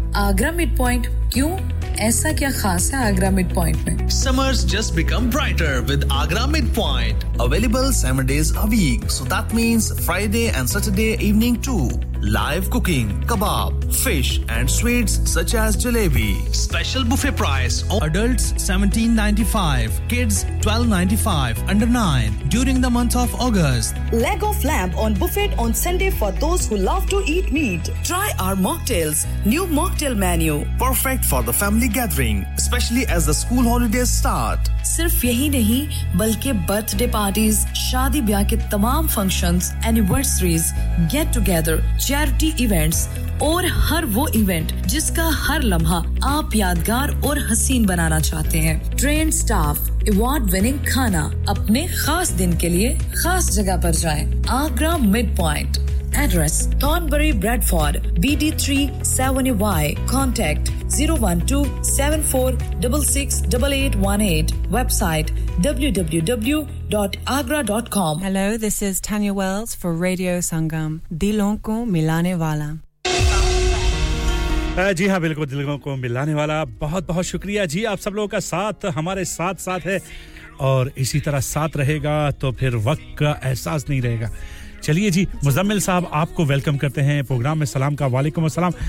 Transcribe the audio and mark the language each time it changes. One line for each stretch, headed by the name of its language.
Hindi: Agra mid point ਕਿਉਂ ਐਸਾ ਕੀ ਖਾਸ ਹੈ ਆਗਰਾ ਮਿਡ ਪੁਆਇੰਟ ਮੈਂ
English: Summers just become brighter with Agra mid point available 7 days a week so that means Friday and Saturday evening to Live cooking, kebab, fish and sweets such as jalebi. Special buffet price. Adults 17.95, kids 12.95, under 9, during the month of August. Leg of lamb on buffet on Sunday for those who love to eat meat. Try our mocktails, new mocktail menu. Perfect for the family gathering, especially as the school holidays start.
Hindi: Sirf yahi nahi, balki birthday parties, shadi biyah ke tamam functions, anniversaries, get together, charity events और हर वो event जिसका हर लम्हा आप यादगार और हसीन बनाना चाहते हैं. ट्रेन स्टाफ, अवार्ड विनिंग खाना, अपने खास दिन के लिए खास जगह पर जाएं.
English: Agra mid point. Address: Thornbury, Bradford, BD37Y. Contact: 012-7466-8818. Website: www.agra.com. Hello, this is Tanya Wells for Radio Sangam.
Hindi: Dilon ko milane wala. जी हाँ, बिल्कुल दिलों को मिलाने वाला. बहुत बहुत शुक्रिया जी, आप सब लोगों का साथ हमारे साथ साथ है और इसी तरह साथ रहेगा तो फिर वक्त का एहसास नहीं रहेगा. चलिए जी, मुजम्मिल साहब आपको वेलकम करते हैं प्रोग्राम में. सलाम का. वालेकुम अस्सलाम.